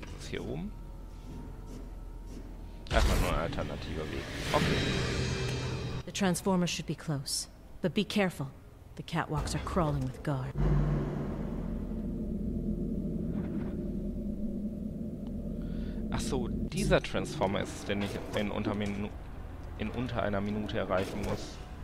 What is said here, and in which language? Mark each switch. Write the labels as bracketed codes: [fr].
[de] Hier oben. Erstmal nur ein alternativer Weg. Okay. [en] The transformer should be close, but be careful. The catwalks are crawling with guard. [de] Ach so, dieser Transformer ist es, den ich in unter einer Minute erreichen muss.